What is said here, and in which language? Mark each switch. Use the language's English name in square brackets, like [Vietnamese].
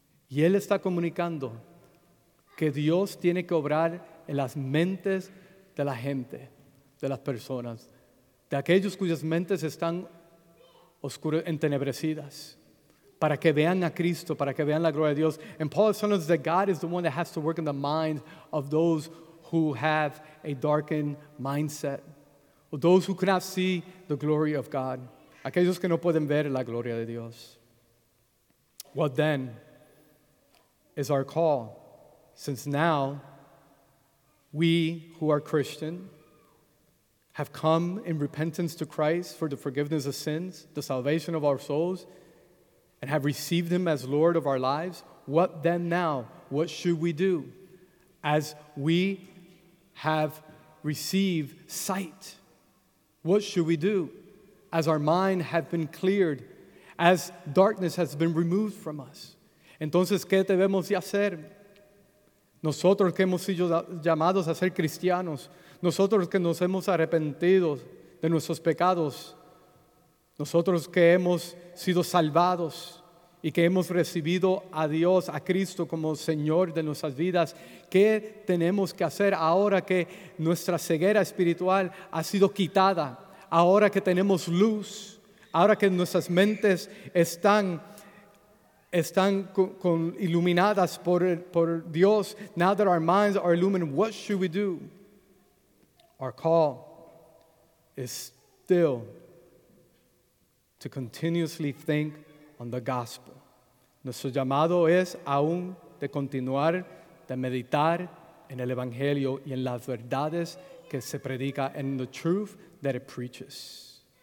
[Spanish] Y él está comunicando que Dios tiene que obrar en las mentes de la gente, de las personas, de aquellos cuyas mentes están oscuras, entenebrecidas, para que vean a Cristo, para que vean la gloria de Dios. [English] And Paul says that God is the one that has to work in the minds of those who have a darkened mindset, or those who cannot see the glory of God, [Spanish] aquellos que no pueden ver la gloria de Dios. [English] What then is our call? Since now, we who are Christian have come in repentance to Christ for the forgiveness of sins, the salvation of our souls, and have received him as Lord of our lives, what then now? What should we do? As we have received sight, what should we do? As our mind has been cleared, as darkness has been removed from us. [Spanish] Entonces, ¿qué debemos de hacer? Nosotros que hemos sido llamados a ser cristianos, nosotros que nos hemos arrepentido de nuestros pecados, nosotros que hemos sido salvados y que hemos recibido a Dios, a Cristo como Señor de nuestras vidas, ¿qué tenemos que hacer ahora que nuestra ceguera espiritual ha sido quitada? Ahora que tenemos luz, ahora que nuestras mentes están con iluminadas por Dios. [English] Now that our minds are illumined, what should we do? Our call is still to continuously think on the gospel. [Spanish] Nuestro llamado es aún de continuar, de meditar en el evangelio y en las verdades que se predica, [English] in the truth that it preaches.